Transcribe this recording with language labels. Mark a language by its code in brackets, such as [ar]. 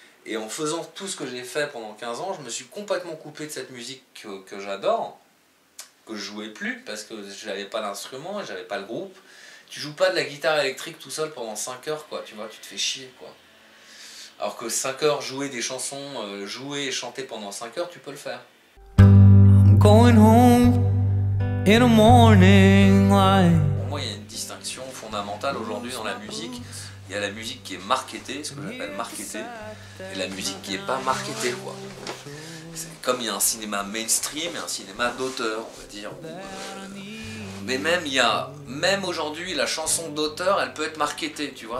[fr] Et en faisant tout ce que j'ai fait pendant 15 ans, je me suis complètement coupé de cette musique que j'adore, que je jouais plus parce que je n'avais pas l'instrument et je n'avais pas le groupe. Tu joues pas de la guitare électrique tout seul pendant 5 heures, quoi, tu vois, tu te fais chier, quoi. Alors que 5 heures, jouer des chansons, jouer et chanter pendant 5 heures, tu peux le faire. [en] I'm going home in the morning light. [fr] Pour moi, il y a une distinction fondamentale aujourd'hui dans la musique. Il y a la musique qui est marketée, ce que j'appelle marketée, et la musique qui est pas marketée, quoi. comme il y a un cinéma mainstream et un cinéma d'auteur, on va dire. Mais même il y a, même aujourd'hui, la chanson d'auteur, elle peut être marketée, tu vois.